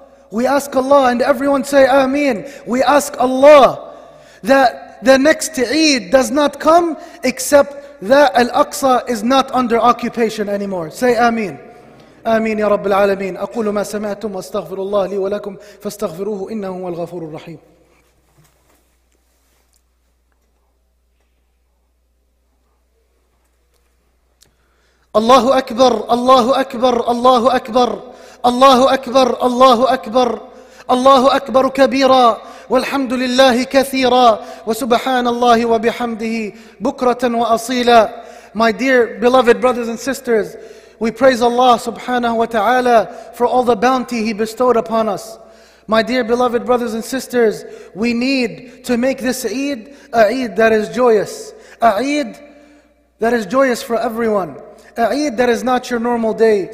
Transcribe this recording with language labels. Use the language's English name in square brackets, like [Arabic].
[English] We ask Allah, and everyone say Ameen. We ask Allah that the next Eid does not come except that Al-Aqsa is not under occupation anymore. Say Ameen. [Arabic] Ameen Ya Rabbil Alameen. أقول ما سمعتم واستغفر الله لي ولكم فاستغفروه إنه هو الغفور الرحيم. الله أكبر, الله أكبر, الله أكبر. الله أكبر, الله أكبر, الله أكبر كبيرا, والحمد لله كثيرا, وسبحان الله وبحمده بكرة وأصيلا. [English] My dear beloved brothers and sisters, we praise Allah subhanahu wa ta'ala for all the bounty He bestowed upon us. My dear beloved brothers and sisters, we need to make this Eid a Eid that is joyous, a Eid that is joyous for everyone, a Eid that is not your normal day.